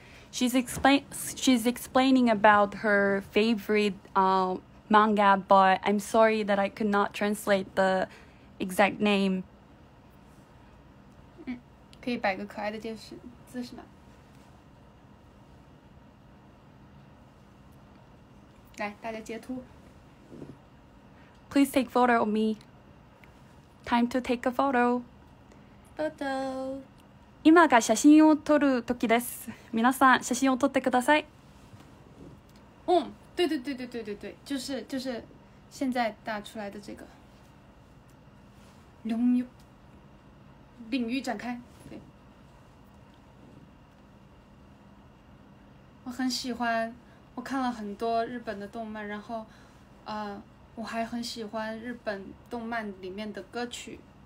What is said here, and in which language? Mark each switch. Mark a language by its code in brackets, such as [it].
[en] She's explaining about her favorite manga, but I'm sorry that I could not translate the exact name. [zh] 可以摆个可爱的姿势吗？来，大家截图。 [en] Please take photo of me. Time to take a photo. Photo. [ja] 今が写真を撮る時です。皆さん、写真を撮ってください。 [zh] 对，就是现在打出来的这个。领域，领域展开，对。我很喜欢，我看了很多日本的动漫，然后，我还很喜欢日本动漫里面的歌曲。